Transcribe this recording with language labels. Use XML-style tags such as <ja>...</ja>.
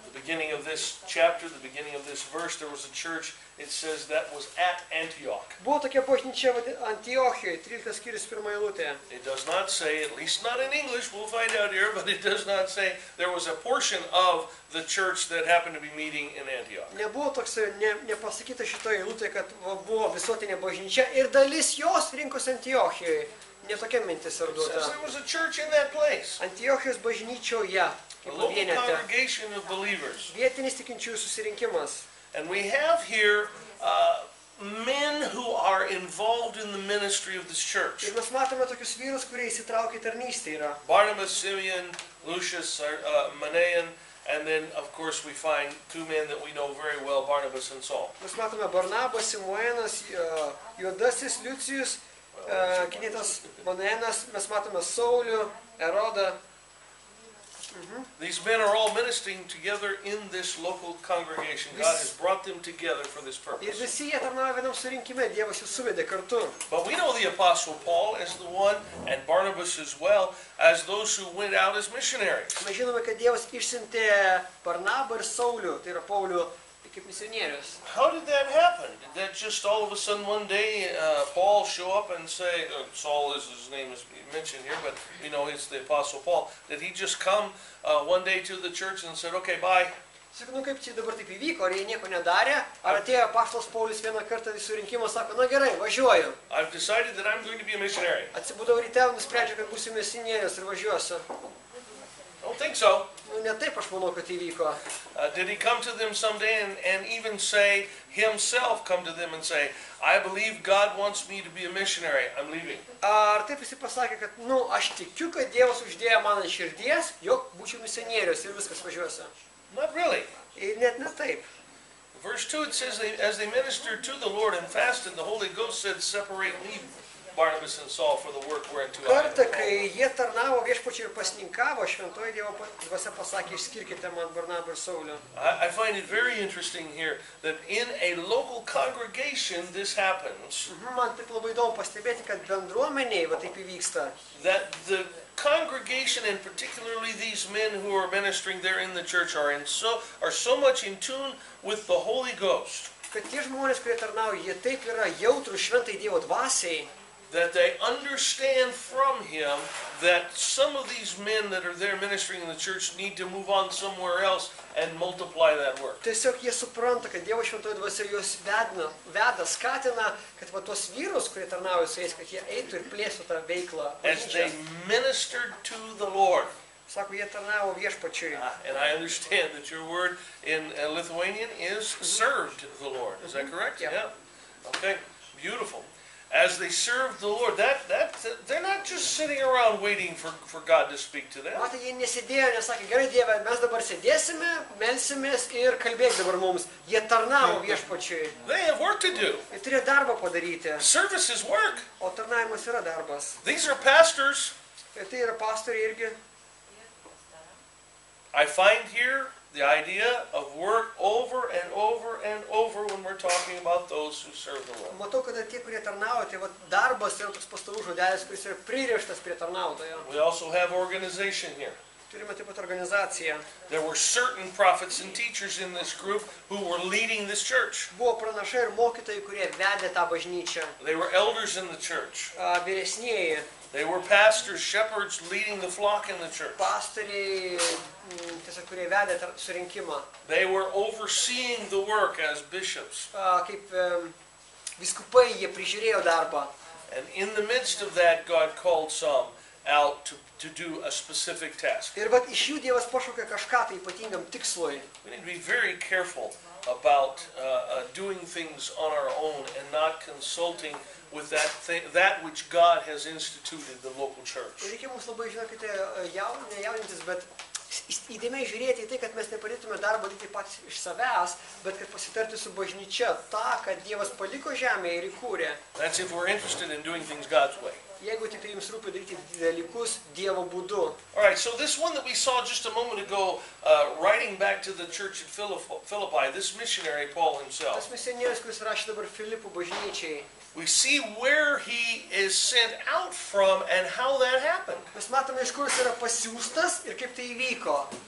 <en>The beginning of this chapter, the beginning of this verse, there was a church, it says that was at Antioch.</en> <lt>Buvo tokia bažnyčia Antiochijoje, 13 skyrius 1 eilutė.</lt> <en>It does not say, at least not in English, we'll find out here, but it does not say there was a portion of the church that happened to be meeting in Antioch.</en> <lt>Nebuvo toks, nepasakyta šitoje eilutėje, kad buvo visuotinė bažnyčia ir dalis jos rinkos Antiochijoje. Ne tokia mintis ar duota.</lt> <en>There was a church in that place.</en> <lt>Antiochijos bažnyčioje, kaip vienete.</lt> <en>A local congregation of believers.</en> <lt>Vietinis tikinčiųjų susirinkimas.</lt> <en>And we have here men who are involved in the ministry of this church.</en> <lt>Ir mes matome tokius vyrus, kurie įsitraukia į tarnystę yra.</lt> <en>Barnabas, Simeon, Lucius, Manaen, and then of course we find two men that we know very well, Barnabas and Saul.</en> <lt>Mes matome Barnabas, Simeonas, Judasis, Lucius, Kinitas, Manaenas, mes matome Saulių, Erodą.</lt> <en>These men are all ministering together in this local congregation. God has brought them together for this purpose.</en> <lt>Ir visi jie tarnavo vienam surinkime, Dievas jau suvedė kartu.</lt> <en>But we know the apostle Paul as the one, and Barnabas as well, as those who went out as missionaries.</en> <lt>Mes žinome, kad Dievas išsiuntė Barnabą ir Saulių, tai yra Paulių, kaip misionierius.</lt> <en>How did that happen? Did that just all of a sudden one day Paul show up and say, Saul is his name is mentioned here, but you know it's the apostle Paul. Did he just come one day to the church and said, okay, bye?</en> <lt>Sakau, nu kaip čia dabar taip įvyko, ar jie nieko nedarė, ar atėjo apaštalas Paulius vieną kartą į surinkimą, sako, na gerai, važiuoju.</lt> <en>I've decided that I'm going to be a missionary.</en> <lt>Atsibudau ryte, nusprendžiau, kad būsiu misionierius ir važiuosiu.</lt> <en>I don't think so.</en> <lt>Nu, ne taip aš manau, kad įvyko.</lt> <en>Did he come to them someday and even say, himself come to them and say, I believe God wants me to be a missionary, I'm leaving.</en> <lt>Ar taip jis pasakė, kad, nu, aš tikiu, kad Dievas uždėjo man ant širdies, jog būčiau misionierius ir viskas važiuosiu.</lt> <en>Not really.</en> <lt>Ir net ne taip.</lt> <en>Verse 2, it says, as they ministered to the Lord and fasted, the Holy Ghost said, separate me. Barnabas and Saul for the work were into.</en> <lt>Kartą, kai jie tarnavo viešpačiui ir pasninkavo, šventoji Dievo dvasia pasakė, išskirkite man Barnabą ir Saulių.</lt> <en>I find it very interesting here that in a local congregation this happens.</en> <lt>Man taip labai įdomu pastebėti, kad bendruomenėje va taip įvyksta.</lt> <en>That the congregation and particularly these men who are ministering there in the church are so much in tune with the Holy Ghost.</en> <lt>Kad tie žmonės, kurie tarnavo, jie taip yra jautrų šventai Dievo dvasiai.</lt> <en>That they understand from him that some of these men that are there ministering in the church need to move on somewhere else and multiply that work.</en> <lt>Tiesiog jie supranta, kad Dievo šventoji dvasia juos veda, skatina, kad va tos vyrus, kurie tarnavo su jais, kad jie eitų ir plėstų tą veiklą.</lt> <en>As they ministered to the Lord.</en> <lt>Sako, jie tarnavo viešpačiui.</lt> <en>And I understand that your word in Lithuanian is served the Lord. Is that correct? Yeah. Okay, beautiful. As they served the Lord, that they're not just sitting around waiting for God to speak to them.</en> <lt>Matai, jie nesėdėjo, nesakė, gerai Dieve, mes dabar sėdėsime, melsimės ir kalbėk dabar mums. Jie tarnavo viešpačiui.</lt> <en>They have work to do.</en> <lt>Jie turėjo darbą padaryti.</lt> <en>Service is work.</en> <lt>O tarnavimas yra darbas.</lt> <en>These are pastors.</en> <lt>Ir tai yra pastoriai irgi.</lt> <en>I find here the idea of work over and over and over when we're talking about those who serve the Lord.</en> <lt>Matau, kad tie, kurie tarnavo, tai darbas yra toks pastovus žodelis, kuris yra pririštas prie tarnautojo.</lt> <en>We also have organization here.</en> <lt>Turime taip pat organizaciją.</lt> <en>There were certain prophets and teachers in this group who were leading this church.</en> <lt>Buvo pranašai ir mokytojai, kurie vedė tą bažnyčią.</lt> <en>They were elders in the church.</en> <lt>Vyresnieji.</lt> <en>They were pastors, shepherds leading the flock in the church.</en> <lt>Pastoriai, tiesiog, kurie vedė surinkimą.</lt> <en>They were overseeing the work as bishops.</en> <lt>Kaip vyskupai jie prižiūrėjo darbą.</lt> <en>And in the midst of that God called some out to do a specific task.</en> <lt>Ir vat iš jų Dievas pašaukė kažką tai ypatingam tikslui.</lt> <en>We need to be very careful about doing things on our own and not consulting with that which God has instituted, the local church.</en> <lt>Reikia mums labai, žinokite, jaudintis, bet įdėmiai žiūrėti į tai, kad mes nepalytume darbą tik pats iš savęs, bet kad pasitarti su bažnyčia tą, kad Dievas paliko žemę ir įkūrė.</lt> <en>That's if we're interested in doing things God's way.</en> <lt>Jeigu tik jums rūpi daryti dalykus Dievo būdu.</lt> <en>All right, so this one that we saw just a moment ago, writing back to the church at Philippi, this missionary Paul himself.</en> <lt>Tas misionierius, kuris rašė dabar Filipų bažnyčiai.</lt> <en>We see where he is sent out from and how that happened.</en> <lt>Mes matome, iš kur jis yra pasiūstas ir kaip tai įvyko.</lt>